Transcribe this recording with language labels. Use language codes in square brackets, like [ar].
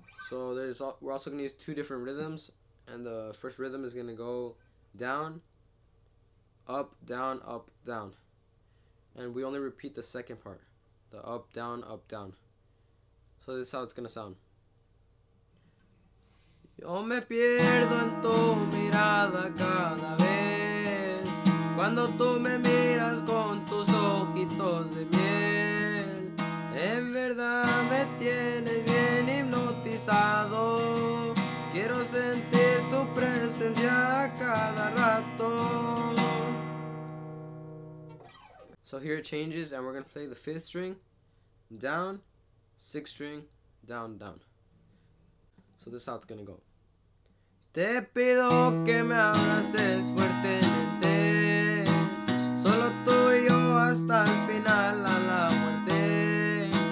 [en] So we're also going to use two different rhythms, and the first rhythm is going to go down, up, down, up, down. And we only repeat the second part, the up, down, up, down. So this is how it's gonna sound. [es] Yo me pierdo en tu mirada cada vez, cuando tú me miras con tus ojitos de miel. En verdad me tienes bien hipnotizado, quiero sentir tu presencia a cada rato. [en] So here it changes, and we're gonna play the fifth string, down, sixth string, down, down. So this is how it's gonna go. [es] Te pido que me abraces fuertemente, solo tú y yo hasta el final a la muerte.